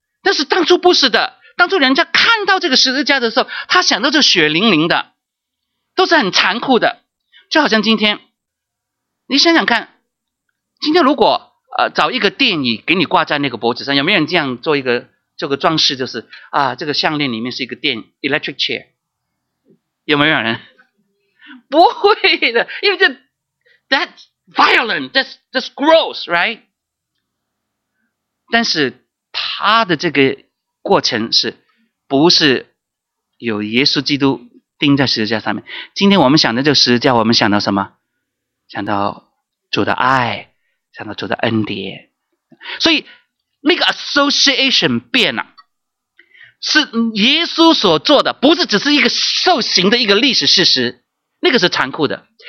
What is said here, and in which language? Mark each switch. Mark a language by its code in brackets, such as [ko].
[zh] 但是当初不是的，当初人家看到这个十字架的时候，他想到这血淋淋的，都是很残酷的。就好像今天，你想想看，今天如果找一个电椅给你挂在那个脖子上，有没有人这样做一个这个装饰，就是啊，这个项链里面是一个电 electric chair， 有没有人？不会的，因为这 [en] that's violent， that's gross， right？ [zh] 但是他的这个过程是不是有耶稣基督钉在十字架上面？今天我们想到这个十字架，我们想到什么？想到主的爱，想到主的恩典。所以那个 association 变了，是耶稣所做的，不是只是一个受刑的一个历史事实，那个是残酷的。